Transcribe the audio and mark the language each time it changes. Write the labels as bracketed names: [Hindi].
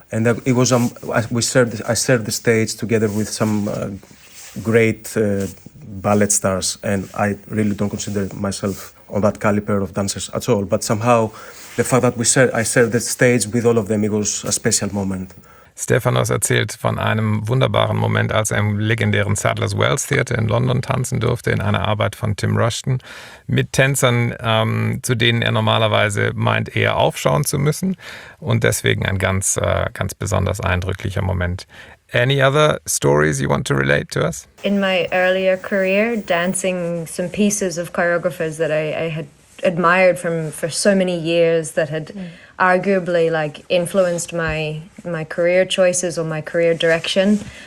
[English] And it was, I shared the stage together with some great ballet stars. And I really don't consider myself on that caliber of dancers at all. But somehow, the fact that I shared the stage with all of them, it was a special moment. [German] Stefanos erzählt von einem wunderbaren Moment, als er im legendären Sadler's Wells Theater in London tanzen durfte, in einer Arbeit von Tim Rushton, mit Tänzern, zu denen er normalerweise meint, eher aufschauen zu müssen. Und deswegen ein ganz, ganz besonders eindrücklicher Moment. [English] Any other stories you want to relate to us? In my earlier career, dancing some pieces of choreographers that I had admired for so many years that had arguably like influenced my career choices or my career direction.